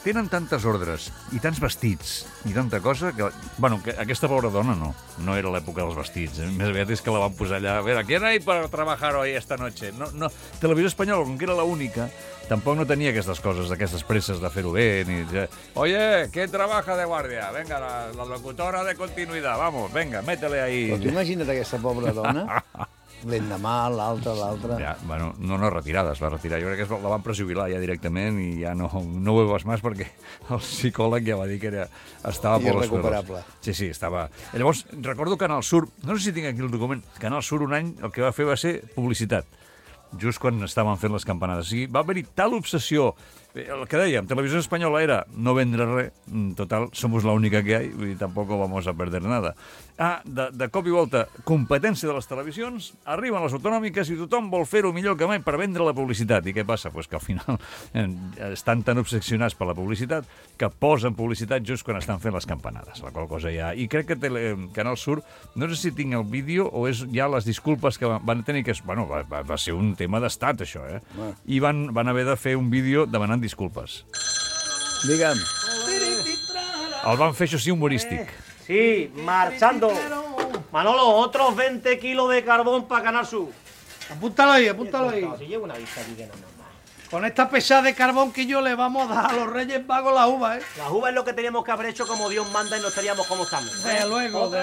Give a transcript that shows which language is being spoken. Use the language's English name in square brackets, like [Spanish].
[Catalan] Tenen tantes ordres i tants vestits i tanta cosa que... Bueno, que aquesta pobra dona no era l'època dels vestits. Eh? Més aviat és que la van posar allà. A veure, [Spanish] ¿quién hay para trabajar hoy esta noche? [Catalan] No. Televisió Espanyola, com que era l'única, tampoc no tenia aquestes coses, aquestes presses de fer-ho bé. Ni... [Spanish] Oye, ¿qué trabaja de guardia? Venga, la locutora de continuidad. Vamos, venga, métele ahí. [Catalan] Però imagina't aquesta pobra dona... L'endemà, l'altre... Ja, bueno, no retirada, es va retirar. Jo crec que la van prejubilar ja directament i ja no ho veus més perquè el psicòleg ja va dir que estava per les recuperable. Sí, sí, estava... Llavors, recordo que Canal Sur, no sé si tinc aquí el document, que Canal Sur un any el que va ser publicitat, just quan estaven fent les campanades. O sigui, va haver-hi tal obsessió... El que dèiem, Televisió Espanyola era no vendre res, total, [Spanish] somos la única que hay, [Catalan] i tampoc [Spanish] vamos a perder nada. [Catalan] Ah, de cop i volta, competència de les televisions, arriben les autonòmiques i tothom vol fer-ho millor que mai per vendre la publicitat. I què passa? Pues que al final estan tan obsessionats per la publicitat que posen publicitat just quan estan fent les campanades, la qual cosa hi ha. I crec que Canal Sur, no sé si tinc el vídeo o és ja les disculpes que van tenir, que és, bueno, va ser un tema d'estat, això, eh? I van haver de fer un vídeo de demanant disculpes. Digue'm. El van fer, això sí, humorístic. [Spanish] Sí, marchando. Manolo, otros 20 kilos de carbón para Canal Sur. Apúntalo ahí, apúntalo ahí. Si llevo una vista aquí que no normal. Con esta pesada de carbón que yo le vamos a dar a los Reyes Magos la uva, ¿eh? La uva es lo que teníamos que haber hecho como Dios manda y no estaríamos como estamos. ¿Eh? De luego, otra